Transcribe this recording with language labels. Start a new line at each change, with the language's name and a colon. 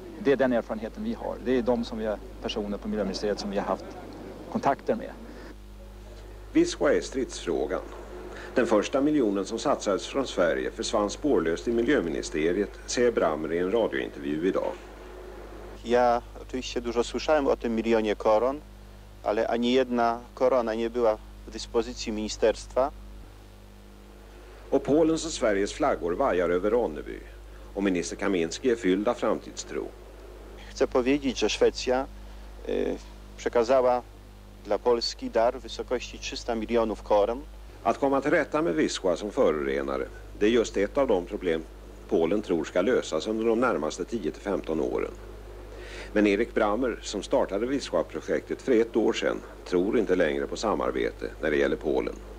Swedish: Det är den erfarenheten vi har. Det är de som vi är personer på miljöministeriet som vi har haft kontakter med. Wisła är stridsfrågan. Den första miljonen som satsades från Sverige försvann spårlöst i miljöministeriet, säger Brammer i en radiointervju idag.
Polish: Jag oczywiście dużo słyszałem o tym milionie koron, ale ani jedna korona nie była w dyspozycji ministerstwa.
Swedish: Och Polens och Sveriges flaggor vajar över Ronneby. Och minister Kaminski är fylld av framtidstro.
Polish: Chcę powiedzieć, że Szwecja przekazała dla Polski dar w wysokości 300 miljoner koron.
Swedish: Att komma till rätta med Wisła som förorenare, det är just ett av de problem Polen tror ska lösas under de närmaste 10-15 åren. Men Erik Brammer, som startade Wisła-projektet för ett år sedan, tror inte längre på samarbete när det gäller Polen.